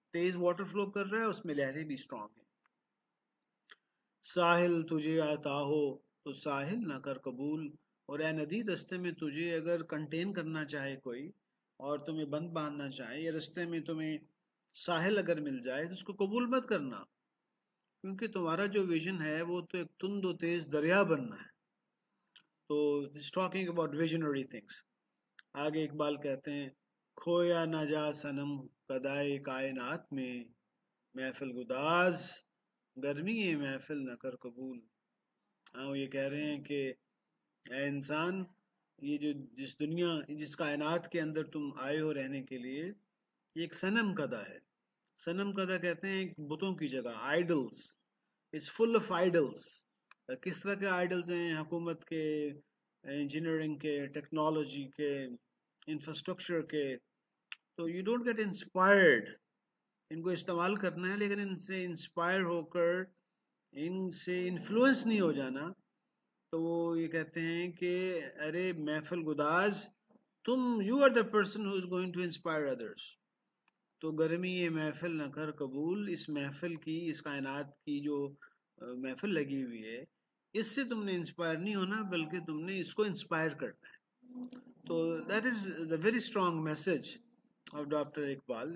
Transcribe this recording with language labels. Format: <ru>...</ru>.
<ur>تیز water flu کر رہا ہے, اس میں لہریں بھی اسٹرانگ ہیں. ساحل تجھے آتا ہو تو ساحل نہ کر قبول. اور اے ندی رستے میں تجھے اگر کنٹین کرنا چاہے کوئی اور تمہیں بند باندھنا چاہے یا رستے میں تمہیں ساحل اگر مل جائے تو اس کو قبول مت کرنا کیونکہ تمہارا جو ویژن ہے وہ تو ایک تند و تیز دریا بننا ہے.</ur> <en>تو it's talking about visionary things.</en> <ur>آگے اقبال کہتے ہیں کھویا نہ جا سنم قدائے کائنات میں محفل گداز گرمی محفل نہ کر قبول. ہاں وہ یہ کہہ رہے ہیں کہ اے انسان یہ جو جس دنیا جس کائنات کے اندر تم آئے ہو رہنے کے لیے یہ ایک سنم قدا ہے. سنم قدا کہتے ہیں ایک بتوں کی جگہ, idols,</ur> <en>It's full of idols.</en> <ur>کس طرح کے آئیڈلس ہیں؟ حکومت کے, انجینئرنگ کے, ٹیکنالوجی کے, انفراسٹرکچر کے. تو</ur> <en>You don't get inspired.</en> <ur>ان کو استعمال کرنا ہے لیکن ان سے انسپائر ہو کر ان سے انفلوئنس نہیں ہو جانا. تو وہ یہ کہتے ہیں کہ ارے محفل گداز تم,</ur> <en>You are the person who is going to inspire others.</en> <ur>تو گرمی یہ محفل نہ کر قبول. اس محفل کی, اس کائنات کی جو محفل لگی ہوئی ہے اس سے تم نے انسپائر نہیں ہونا بلکہ تم نے اس کو انسپائر کرنا ہے.</ur> <en>تو that is the very strong message of doctor Iqbal.</en>